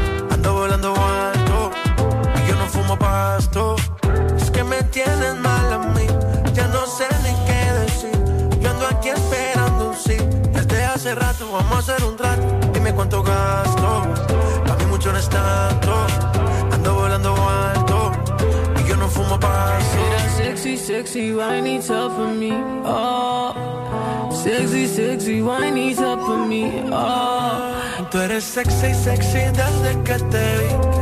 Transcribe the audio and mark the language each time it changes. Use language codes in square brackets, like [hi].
[es] Ando volando alto y yo no fumo pasto. Es que me tienen mal a mí, ya no sé ni qué decir. Yo ando aquí esperando un sí. hace rato, vamos a hacer un trato. Dime cuánto gasto, pa' mí mucho no es tanto. Ando volando alto, y yo no fumo paso. [en] Hey, that sexy, sexy, whiny top for me, oh. Sexy, sexy, whiny top for me, oh. [es] Tú eres sexy, sexy desde que te vi.